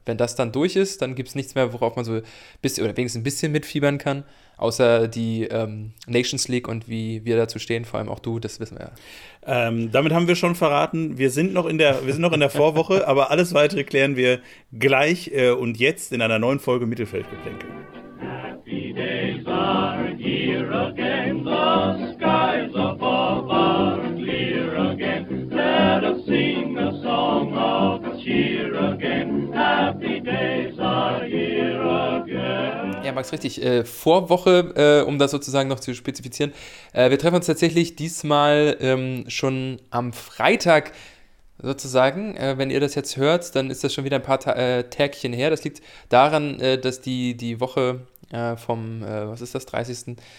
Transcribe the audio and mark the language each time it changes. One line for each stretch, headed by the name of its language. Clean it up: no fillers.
German: Wenn das dann durch ist, dann gibt es nichts mehr, worauf man so ein bisschen oder wenigstens ein bisschen mitfiebern kann. Außer die Nations League und wie wir dazu stehen, vor allem auch du, das wissen wir ja. Damit haben wir schon verraten, wir sind noch in der Vorwoche, aber alles Weitere klären wir gleich und jetzt in einer neuen Folge Mittelfeldgeplänkel.
English: Happy days are here again, the skies above are clear again. Let us sing a song of cheer again. Happy days are here again.
German: Ja, Max, richtig. Vorwoche, um das sozusagen noch zu spezifizieren. Wir treffen uns tatsächlich diesmal schon am Freitag sozusagen. Wenn ihr das jetzt hört, dann ist das schon wieder ein paar Tägchen her. Das liegt daran, dass die Woche vom, was ist das, 30.